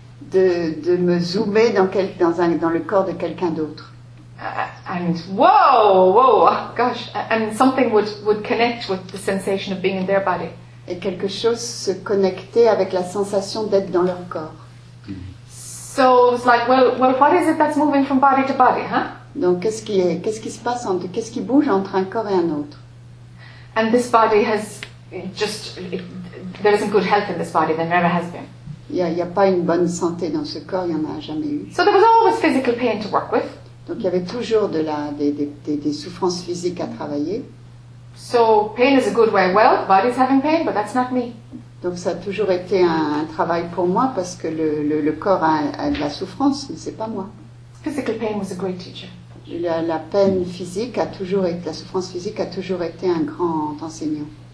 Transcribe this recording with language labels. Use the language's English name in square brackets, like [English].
[French] De me zoomer dans le corps de quelqu'un d'autre. [English] And something would connect with the sensation of being in their body. [French] Et quelque chose se connectait avec la sensation d'être dans leur corps. [English] So it's like, well, what is it that's moving from body to body, huh? [French] Donc qu'est-ce qui se passe qu'est-ce qui bouge entre un corps et un autre? [English] And this body has just there isn't good health in this body. There never has been. [French] Il y a pas une bonne santé dans ce corps. Il y en a jamais eu. [English] So there was always physical pain to work with. [French] Donc il y avait toujours des souffrances physiques à travailler. [English] So pain is a good way. Well, the body's having pain, but that's not me. [French] Donc ça a toujours été un travail pour moi parce que le corps a de la souffrance, mais c'est pas moi. [English] Physical pain was a great teacher. [French] La peine physique a toujours été, la souffrance physique a toujours été un grand enseignant.